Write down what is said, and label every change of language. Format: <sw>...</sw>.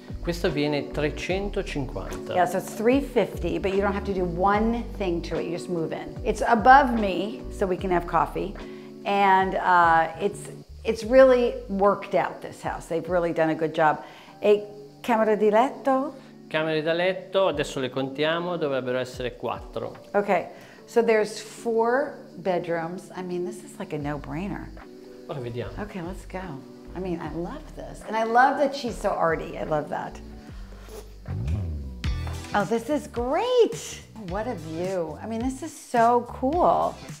<it>Questo viene 350.</it> <en>Yeah, so it's 350, but you don't have to do one thing to it. You just move in. It's above me, so we can have coffee. And it's really worked out, this house. They've really done a good job.</en> <it>E camera di letto? Camere da letto, adesso le contiamo, dovrebbero essere quattro.</it> <en>Okay, so there's four bedrooms. I mean, this is like a no-brainer.</en> <it>Ora vediamo.</it> <en>Okay, let's go. I mean, I love this. And I love that she's so arty. I love that. Oh, this is great. What a view. I mean, this is so cool.</en>